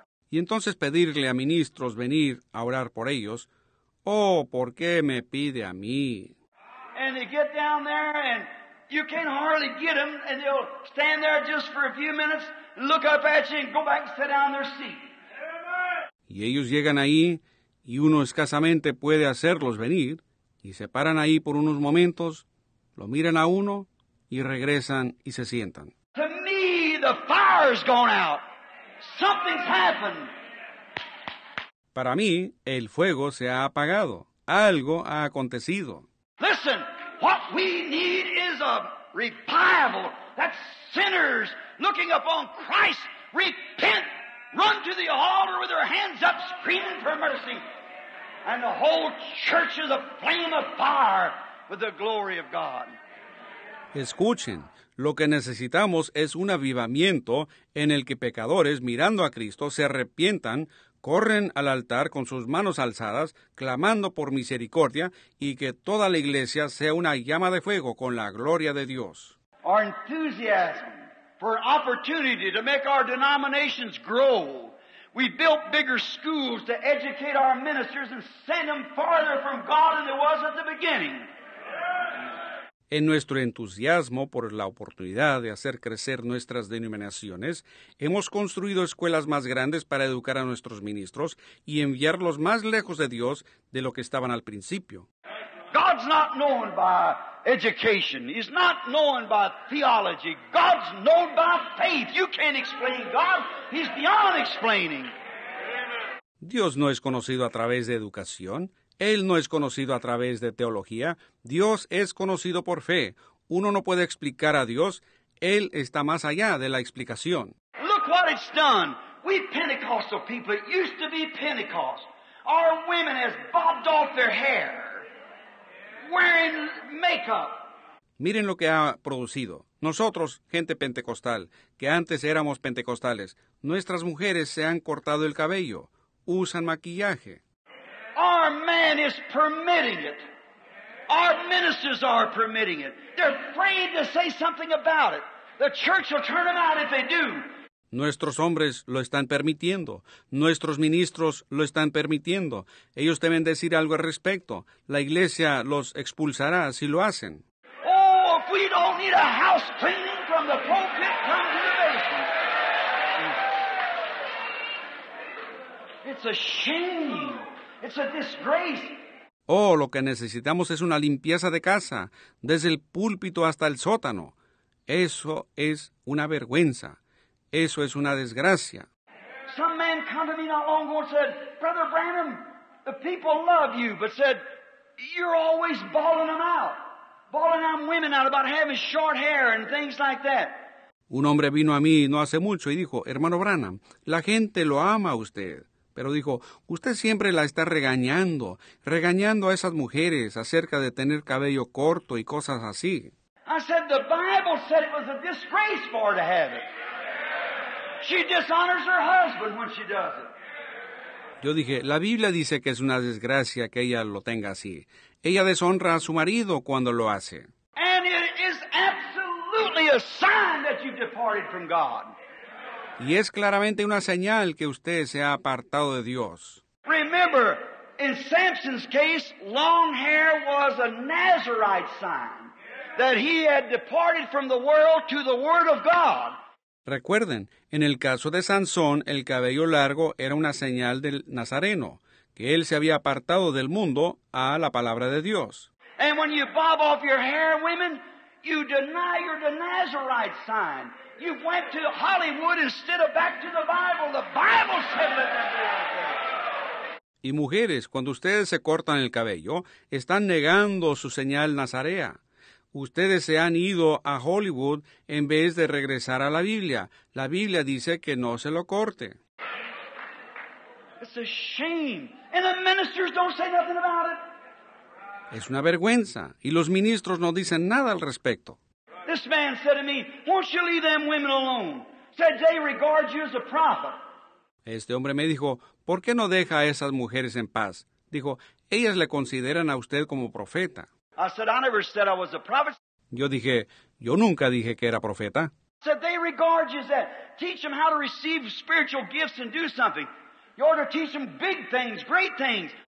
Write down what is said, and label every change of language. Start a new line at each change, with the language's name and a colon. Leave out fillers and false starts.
Spanish: Y entonces pedirle a ministros venir a orar por ellos. Oh, ¿por qué me pide a mí?
English: And they get down there and you can hardly get them and they'll stand there just for a few minutes, look up at you and go back and sit down in their seat.
Spanish: Y ellos llegan ahí y uno escasamente puede hacerlos venir, y se paran ahí por unos momentos, lo miran a uno, y regresan y se sientan.
English: To me, the fire's gone out. Something's happened.
Spanish: Para mí, el fuego se ha apagado. Algo ha acontecido.
English: Listen, what we need is a revival that sinners looking upon Christ repent. Run to the altar with their hands up, screaming for mercy. And the whole church is a flame of fire with the glory of God.
Spanish: Escuchen, lo que necesitamos es un avivamiento en el que pecadores, mirando a Cristo, se arrepientan, corren al altar con sus manos alzadas, clamando por misericordia, y que toda la iglesia sea una llama de fuego con la gloria de Dios.
English: Our enthusiasm for an opportunity to make our denominations grow. We built bigger schools to educate our ministers and send them farther from God than there was at the beginning.
Spanish: En nuestro entusiasmo por la oportunidad de hacer crecer nuestras denominaciones, hemos construido escuelas más grandes para educar a nuestros ministros y enviarlos más lejos de Dios de lo que estaban al principio.
English: God's not known by education. He's not known by theology. God's known by faith. You can't explain God. He's beyond explaining.
Spanish: Dios no es conocido a través de educación. Él no es conocido a través de teología. Dios es conocido por fe. Uno no puede explicar a Dios. Él está más allá de la explicación.
English: Look what it's done. We Pentecostal people, it used to be Pentecost. Our women has bobbed off their hair. Wearing makeup.
Spanish: Miren lo que ha producido. Nosotros, gente pentecostal, que antes éramos pentecostales, nuestras mujeres se han cortado el cabello. Usan maquillaje.
English: Our man is permitting it. Our ministers are permitting it. They're afraid to say something about it. The church will turn them out if they do.
Spanish: Nuestros hombres lo están permitiendo. Nuestros ministros lo están permitiendo. Ellos deben decir algo al respecto. La iglesia los expulsará si lo hacen.
English: Oh, if we don't need a house cleaning from the pulpit, come to the basement. It's a shame. It's a disgrace.
Spanish: Oh, lo que necesitamos es una limpieza de casa, desde el púlpito hasta el sótano. Eso es una vergüenza. Eso es una desgracia.
English: Some man came to me not long ago and said, Brother Branham, the people love you, but said, you're always bawling out women out about having short hair and things like that.
Spanish: Un hombre vino a mí no hace mucho y dijo, hermano Branham, la gente lo ama a usted. Pero dijo, usted siempre la está regañando a esas mujeres acerca de tener cabello corto y cosas así.
English: I said, the Bible said it was a disgrace for her to have it. She dishonors her husband when she does it.
Spanish: Yo dije, la Biblia dice que es una desgracia que ella lo tenga así. Ella deshonra a su marido cuando lo hace.
English: And it is absolutely a sign that you've departed from God.
Spanish: Y es claramente una señal que usted se ha apartado de Dios.
English: Remember, in Samson's case, long hair was a Nazarite sign that he had departed from the world to the Word of God.
Spanish: Recuerden, en el caso de Sansón, el cabello largo era una señal del Nazareno, que él se había apartado del mundo a la palabra de Dios.
English: And when you bob off your hair, women, you deny your Nazarite sign. You went to Hollywood instead of back to the Bible. The Bible said let them be like that.
Spanish: Y mujeres, cuando ustedes se cortan el cabello, están negando su señal nazarea. Ustedes se han ido a Hollywood en vez de regresar a la Biblia. La Biblia dice que no se lo corte.
English: It's a shame. And the ministers don't say nothing about it.
Spanish: Es una vergüenza. Y los ministros no dicen nada al respecto.
English: This man said to me, won't you leave them women alone? Said they regard you as a prophet.
Spanish: Este hombre me dijo, ¿por qué no deja a esas mujeres en paz? Dijo, ellas le consideran a usted como profeta.
English: I said, I never said I was a prophet.
Spanish: Yo dije, yo nunca dije que era profeta.
English: Said they regard you as that. Teach them how to receive spiritual gifts and do something. You ought to teach them big things, great things.